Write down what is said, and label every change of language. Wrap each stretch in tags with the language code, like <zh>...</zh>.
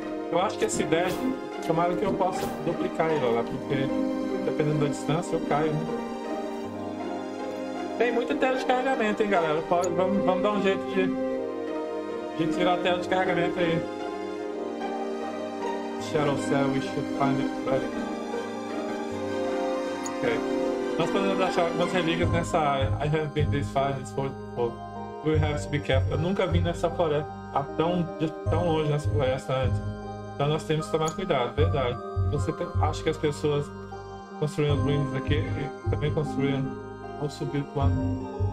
<pt>Eu acho que esse dash, tomara que eu possa duplicar ele lá, porque dependendo da distância eu caio. Tem muita tela de carregamento, hein, galera. Vamos dar um jeito de tirar a tela de carregamento aí.</pt> <en>Shadow Cell, we should find it ready. Ok.</en> <pt>Nós podemos achar algumas relíquias nessa área.</pt> <en>I have been this far, we have to be careful.</en> <pt>Eu nunca vim nessa floresta, tão longe nessa floresta antes. Então nós temos que tomar cuidado, verdade. Você acha que as pessoas construíram as ruínas aqui e também construíram ou subiu o plano?</pt>